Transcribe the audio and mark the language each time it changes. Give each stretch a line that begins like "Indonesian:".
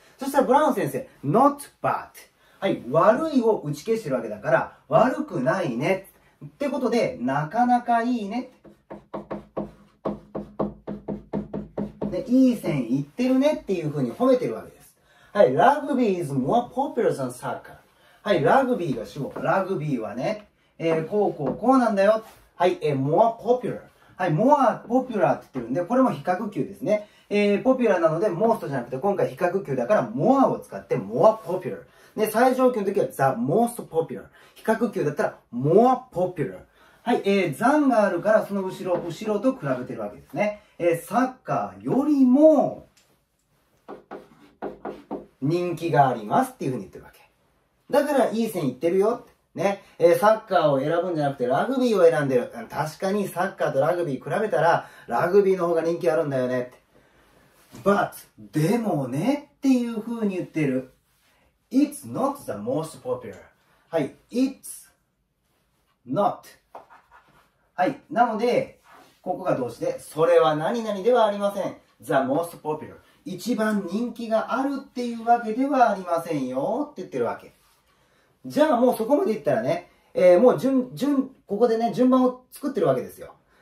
Japanese: そしたらブラウン先生、
English: not bad、
Japanese: はい、悪いを打ち消してるわけだから、悪くないねってことで、なかなかいいね、いい線いってるねっていう風に褒めてるわけです。
English: はい、ラグビー is more popular than soccer。
Japanese: はい、ラグビーが主語、ラグビーはね、こうこうこうなんだよ。
English: はい、more popular。
Japanese: はい、more popular って言ってるんで、これも比較級ですね。popular なので most じゃなくて、今回比較級だから more を使って、 more popular で、最上級の時は the most popular、 比較級だったら more popular。はい、than があるから、その後ろと比べてるわけですね。サッカーよりも人気がありますっていうふうに言ってるわけ。だからいい線いってるよってね。サッカーを選ぶんじゃなくてラグビーを選んでる。確かにサッカーとラグビー比べたらラグビーの方が人気あるんだよねって。 But でもねっていう風に言ってる。
English: It's not the most popular. はい。It's not. はい。
Japanese: なので、ここが動詞で、それは何々ではありません。
English: The most popular.
Japanese: 一番人気があるっていうわけではありませんよって言ってるわけ。じゃあもうそこまで言ったらね、もう順、ここでね、順番を作ってるわけですよ。